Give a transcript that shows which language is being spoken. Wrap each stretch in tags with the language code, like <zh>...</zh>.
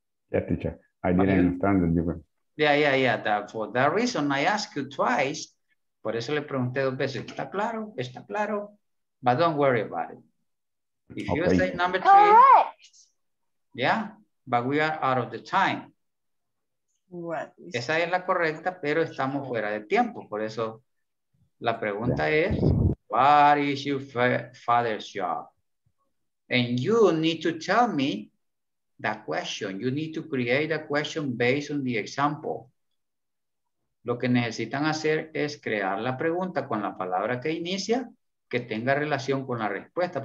<en>Yeah, teacher. I didn't understand the difference. Yeah. For that reason, I asked you twice.</en> <es>Por eso le pregunté dos veces. Está claro, está claro.</es> <en>But don't worry about it. If okay. You say number three. All right. Yeah, but we are out of the time. What?</en> <es>Esa es la correcta, pero estamos fuera de tiempo. Por eso la pregunta es,</es> <en>what is your father's job? And you need to tell me that question. You need to create a question based on the example.</en> <es>Lo que necesitan hacer es crear la pregunta con la palabra que inicia, que tenga relación con la respuesta.</es>